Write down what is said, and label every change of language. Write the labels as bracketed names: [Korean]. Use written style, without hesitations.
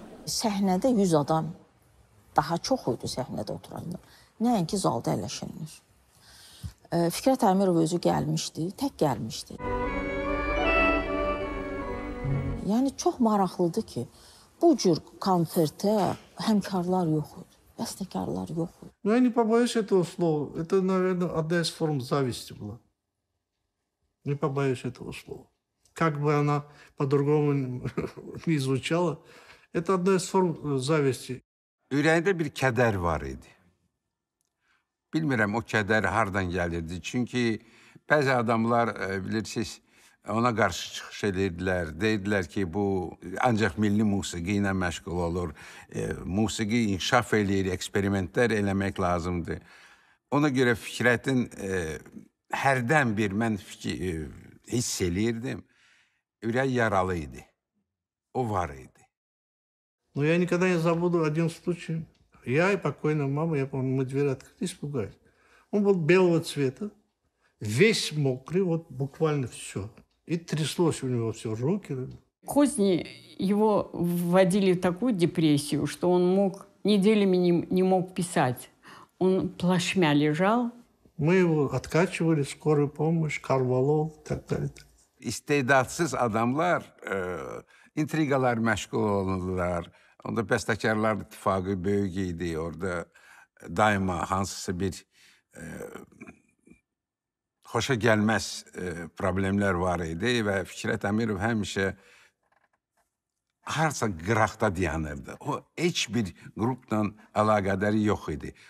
[Azerbaijani] Səhnədə 100 adam daha çox idi səhnədə oturanlar. Nəinki zalda əyləşənlər. Fikrət Əminov özü gəlmişdi, tək gəlmişdi. Yəni, çox maraqlıdır ki, bu cür konsertə həmkarlar yox idi, bəstəkarlar yox idi. [Russian] Ну, я не побоюсь этого слова. Это, наверное, одна из форм зависти была. Не побоюсь этого слова. Как бы она по-другому не звучала, это одна из форм зависти. [Azerbaijani] Ürəyində bir kədər var idi. Bilmirəm, o kədər hardan gəlirdi. Çünki bəzi adamlar, bilirsiniz, ona qarşı çıxış edirdilər, deyirdilər ki, bu ancaq milli musiqi ilə məşğul olur, musiqi inkişaf eləyir, eksperimentlər eləmək lazımdır. Ona görə Fikrətin hərdən bir mən hiss eləyirdim, ürək yaralı idi, o var idi. [Russian] Ну, я никогда не забуду один случай. Я и покойная мама, я помню, мы дверь открыли, испугались. Он был белого цвета, весь мокрый, вот буквально всё. И тряслось у него все, руки. Козни его вводили в такую депрессию, что он мог неделями не мог писать. Он плашмя лежал. Мы его откачивали, скорую помощь, карвалол и так далее. [Azerbaijani] İstedadsız adamlar, intrigalar məşğul olundular. Onda bəstəkarlar ittifaqı böyük idi. Orada daima hansısa bir... Xoşa gəlməz problemlər var idi və Fikrət Əmirov həmişə harasa qıraqda dayanırdı. O, heç bir qrupla əlaqədəri yox idi.